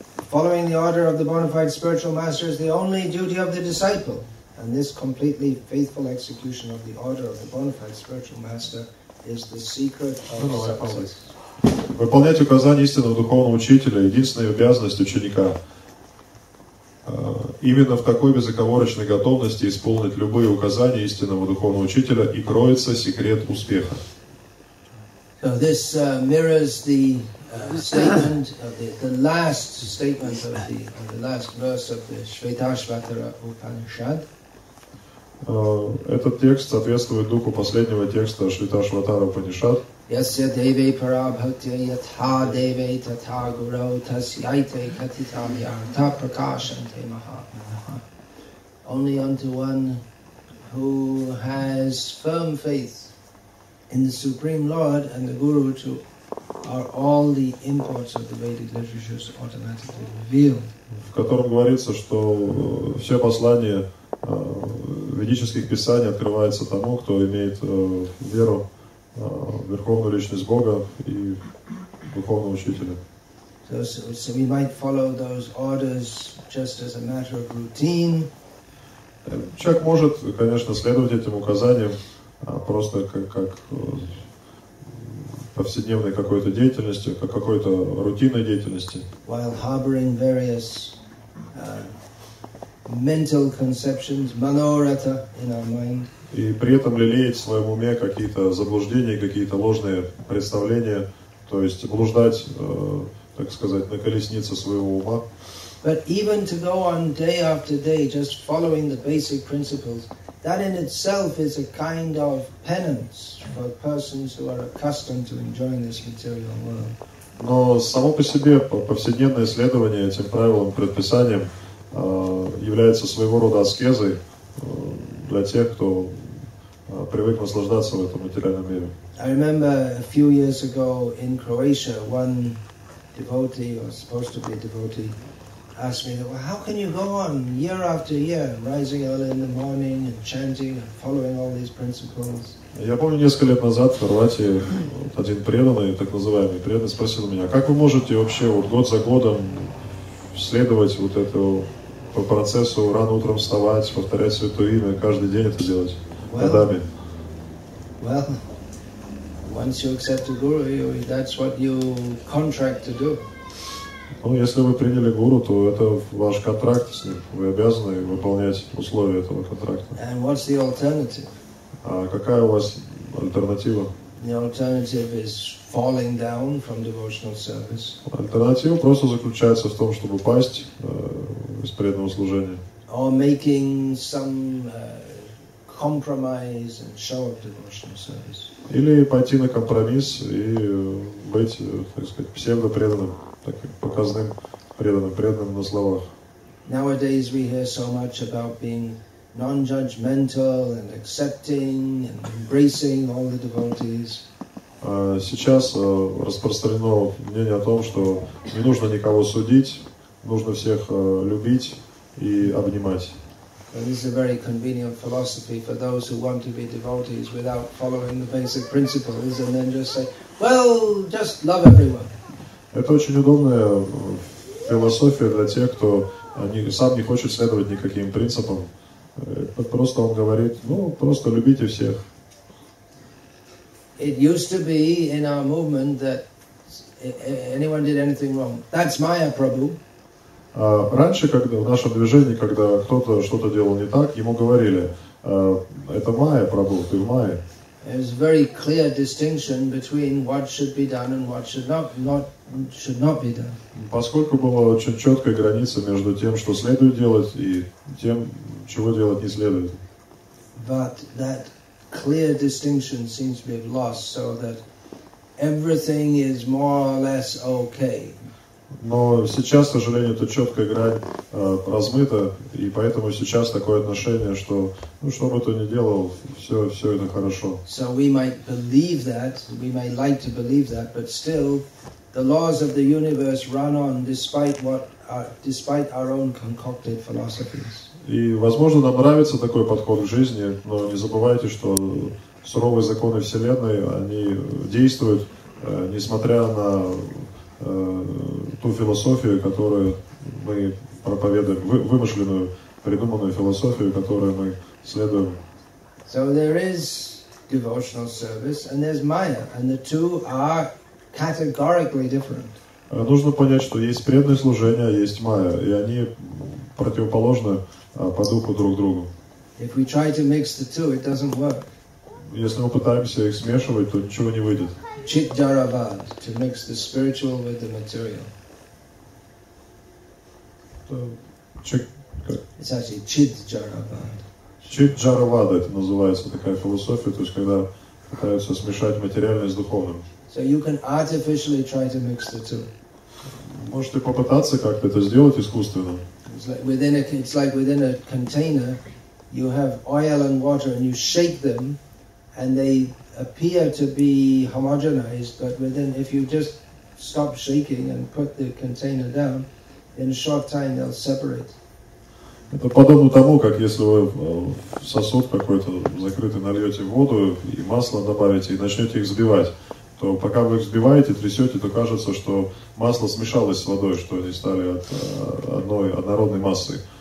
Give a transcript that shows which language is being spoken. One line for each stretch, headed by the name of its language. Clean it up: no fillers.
English: Following the order of the bona fide spiritual master is the only duty of the disciple, and this completely faithful execution of the order of the bona fide spiritual master is the secret of success.
Russian: Выполнять указания истинного духовного учителя – единственная обязанность ученика. Именно в такой безоговорочной готовности исполнить любые указания истинного духовного учителя и кроется секрет успеха.
English: So this mirrors the statement of the last statement of the last verse of the Shvetashvatara Upanishad.
Russian: Этот текст соответствует духу последнего текста Шветашватара Упанишад.
Sanskrit: Yasya deve parabhatya yatha deve tatha guru tasyaite katitam yartha prakashante mahatmanaha.
English: Only unto one who has firm faith in the Supreme Lord and the Guru to are all the imports of the Vedic literatures automatically revealed.
Russian: В котором говорится, что все послания ведических писаний открываются тому, кто имеет веру. Верховную Личность Бога и Духовного Учителя.
English: So we might follow those orders just as a matter of routine.
Russian: Человек может, конечно, следовать этим указаниям просто как повседневной какой-то деятельности, как какой-то рутинной деятельности.
English: While harboring various mental conceptions, manorata in our mind.
Russian: И при этом лелеять в своем уме какие-то заблуждения, какие-то ложные представления, то есть блуждать так сказать, на колеснице своего ума.
English: But even to go on day after day just following the basic principles, that in itself is a kind of penance for persons who are accustomed to enjoying this material world.
Russian: Но само по себе повседневное следование этим правилам, предписаниям является своего рода аскезой для тех, кто привык наслаждаться в этом материальном мире.
English: I remember a few years ago in Croatia, one devotee, or supposed to be a devotee, asked me, that, well, how can you go on year after year, rising early in the morning and chanting and following all these principles?
Russian: Я помню, несколько лет назад в Хорватии один преданный, так называемый преданный, спросил меня, как вы можете вообще вот год за годом следовать вот этому по процессу рано утром вставать, повторять Святое Имя, каждый день это делать, годами?
English: Well, once you accept a guru, that's what you contract to do.
Russian: Ну, если вы приняли гуру, то это ваш контракт с ним. Вы обязаны выполнять условия этого контракта.
English: And what's the alternative?
Russian: А какая у вас альтернатива?
English: The alternative is falling down from devotional service.
Russian: Альтернатива просто заключается в том, чтобы пасть из преданного служения.
English: Or making some compromise and show of devotional service.
Russian: Или пойти на компромисс и быть, так сказать, псевдопреданным, таким показным преданным на словах.
English: Nowadays we hear so much about being non-judgmental and accepting and embracing all the devotees.
Russian: Сейчас распространено мнение о том, что не нужно никого судить, нужно всех любить и обнимать.
English: Well, this is a very convenient philosophy for those who want to be devotees without following the basic principles and then just say, well, just love everyone.
Russian: Это очень удобная философия для тех, кто сам не хочет следовать никаким принципам. Просто он говорит, ну, просто любите всех.
English: It used to be in our movement that anyone did anything wrong. That's Maya Prabhu.
Russian: Раньше, когда в нашем движении, когда кто-то что-то делал не так, ему говорили, это Maya Prabhu, ты в Maya.
English: There's a very clear distinction between what should be done and what should not be done.
Russian: Поскольку была очень четкая граница между тем, что следует делать, и тем, чего делать не следует.
English: But that clear distinction seems to be lost, so that everything is more or less okay.
Russian: Но сейчас, к сожалению, эта четкая грань размыта, и поэтому сейчас такое отношение, что, ну, что бы ты ни делал, все это хорошо.
English: So we might believe that, we might like to believe that, but still, the laws of the universe run on despite our own concocted philosophies.
Russian: И, возможно, нам нравится такой подход к жизни, но не забывайте, что суровые законы Вселенной, они действуют, несмотря на ту философию, которую мы проповедуем, вымышленную, придуманную философию, которую мы следуем.
English: So there is devotional service and there's Maya, and the two are categorically different.
Russian: Нужно понять, что есть преданное служение, есть Maya, и они противоположны по духу друг другу.
English: If we try to mix the two, it doesn't work.
Russian: Если мы пытаемся их смешивать, то ничего не выйдет.
English: Chit-dharavad, to mix the spiritual with the material. It's actually chit-dharavad.
Russian: Chit-dharavad, это называется такая философия, то есть когда пытаются смешать материальное с духовным.
English: So you can artificially try to mix the two.
Russian: Можете попытаться как-то это сделать искусственно.
English: It's like within a container, you have oil and water and you shake them, and they appear to be homogenized, but within, if you just stop shaking and put the container down, in a short time they'll separate.
Russian: Это подобно тому, как если вы сосуд какой-то закрытый нальете воду и масло добавите и начнете их взбивать, то пока вы их взбиваете, трясете, то кажется, что масло смешалось с водой, что они стали от одной однородной массы.